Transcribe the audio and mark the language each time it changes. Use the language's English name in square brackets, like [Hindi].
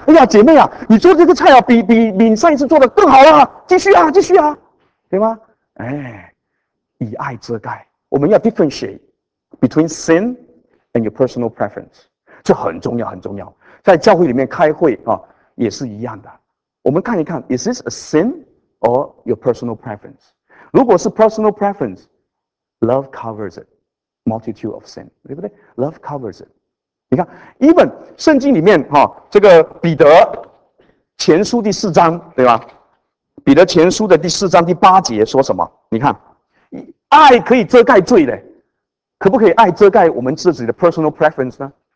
[Chinese] 哎呀，姐妹啊，你做这个菜啊，比你上一次做的更好了，继续啊，继续啊，对吗？哎，以爱遮盖，我们要 [English] differentiate between sin and your personal preference， [Chinese] 这很重要，很重要。在教会里面开会啊，也是一样的。我们看一看 [English] ，Is this a sin？ Or your personal preference. [Chinese] 如果是 [English] personal preference, love covers it. Multitude of sin. [Chinese] 对不对？ [English] Love covers it. [Chinese] 你看 even 圣经里面、啊、这个彼得前书第四章对吧？彼得前书的第四章第八节说什么？你看爱可以遮盖罪的，可不可以爱遮盖我们自己的 [English] personal preference [Chinese] 呢？